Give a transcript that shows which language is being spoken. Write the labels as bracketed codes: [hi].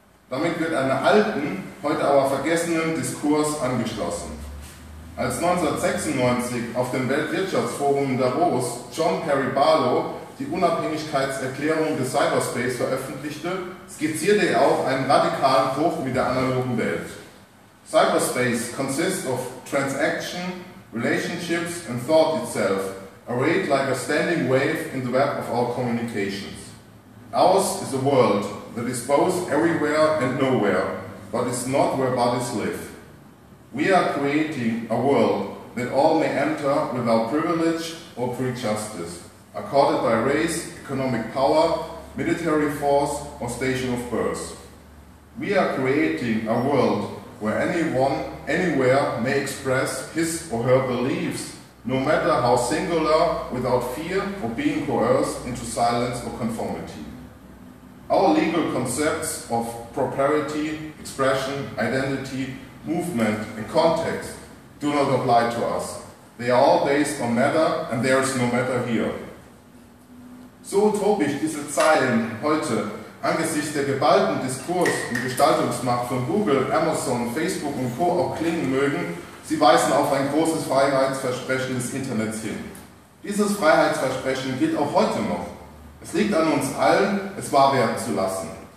[de] Damit wird einem alten, heute aber vergessenen Diskurs angeschlossen. Als 1996 auf dem Weltwirtschaftsforum in Davos John Perry Barlow die Unabhängigkeitserklärung des Cyberspace veröffentlichte, skizzierte er auch einen radikalen Bruch mit der analogen Welt. [en] Cyberspace consists of transaction, relationships and thought itself, arrayed like a standing wave in the web of our communications. Ours is a world that is both everywhere and nowhere, but is not where bodies live. We are creating a world that all may enter without privilege or prejudice, accorded by race, economic power, military force, or station of birth. We are creating a world where anyone, anywhere may express his or her beliefs, no matter how singular, without fear of being coerced into silence or conformity. Our legal concepts of propriety, expression, identity, movement, and context do not apply to us. They are all based on matter, and there is no matter here. [de] So utopisch diese Zeilen heute angesichts der geballten Diskurs- und Gestaltungsmacht von Google, Amazon, Facebook und Co. auch klingen mögen, sie weisen auf ein großes Freiheitsversprechen des Internets hin. Dieses Freiheitsversprechen gilt auch heute noch. Es liegt an uns allen, es wahr werden zu lassen.